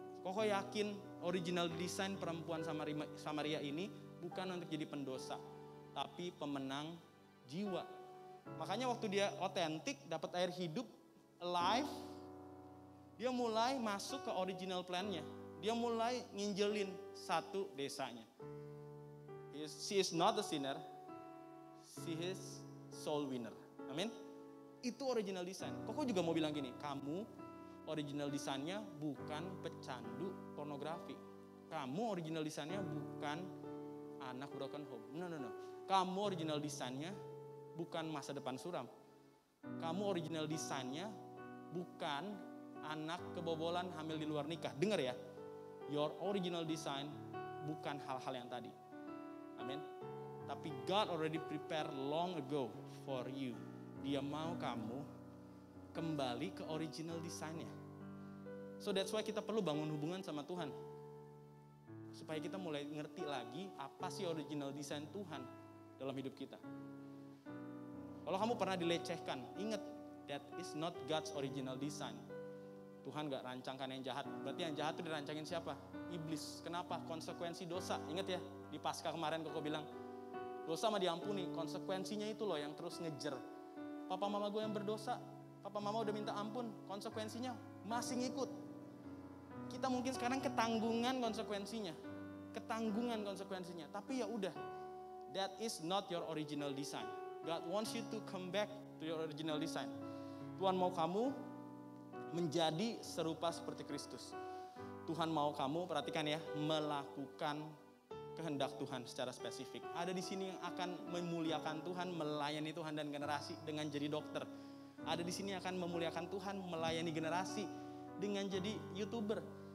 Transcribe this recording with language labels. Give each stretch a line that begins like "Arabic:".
Indonesian: Koko yakin original design perempuan Samaria ini bukan untuk jadi pendosa, tapi pemenang jiwa. Makanya waktu dia otentik, dapat air hidup, alive, dia mulai masuk ke original plan-nya. Dia mulai nginjelin satu desanya.
English: She is not a sinner, she is soul winner.
Indonesian: Amin. Itu original design. Koko juga mau bilang gini, kamu original design-nya bukan pecandu pornografi. Kamu original design-nya bukan anak broken home. No. Kamu original design-nya bukan masa depan suram. Kamu original design-nya bukan anak kebobolan hamil di luar nikah. Dengar ya, your original design bukan hal-hal yang tadi. Amin.
English: Tapi God already prepared long ago for you.
Indonesian: Dia mau kamu kembali ke original design-nya.
English: So that's why
Indonesian: kita perlu bangun hubungan sama Tuhan. Supaya kita mulai ngerti lagi apa sih original design Tuhan dalam hidup kita. Kalau kamu pernah dilecehkan, ingat,
English: that is not God's original design.
Indonesian: Tuhan gak rancangkan yang jahat. Berarti yang jahat itu dirancangin siapa? Iblis. Kenapa? Konsekuensi dosa. Ingat ya, di Pasca kemarin Koko bilang, dosa mah diampuni, konsekuensinya itu loh yang terus ngejer. Papa mama gue yang berdosa, papa mama udah minta ampun, konsekuensinya masih ngikut. Kita mungkin sekarang ketanggungan konsekuensinya. Tapi ya udah,
English: that is not your original design. God wants you to come back to your original design.
Indonesian: Tuhan mau kamu menjadi serupa seperti Kristus. Tuhan mau kamu, perhatikan ya, melakukan kehendak Tuhan secara spesifik. Ada di sini yang akan memuliakan Tuhan, melayani Tuhan dan generasi dengan jadi dokter. Ada di sini yang akan memuliakan Tuhan, melayani generasi dengan jadi YouTuber.